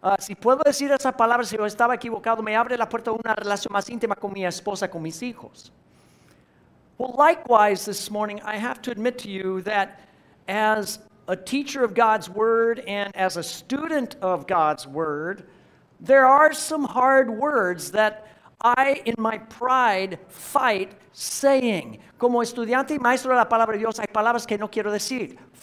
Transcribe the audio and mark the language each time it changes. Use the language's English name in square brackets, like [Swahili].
[Spanish] Si puedo decir esa palabra, si yo estaba equivocado, me abre la puerta a una relación más íntima con mi esposa, con mis hijos. [English] Well, likewise, this morning, I have to admit to you that as a teacher of God's Word and as a student of God's Word, there are some hard words that I, in my pride, fight saying. [Spanish] Como estudiante y maestro de la palabra de Dios, hay palabras que no quiero decir.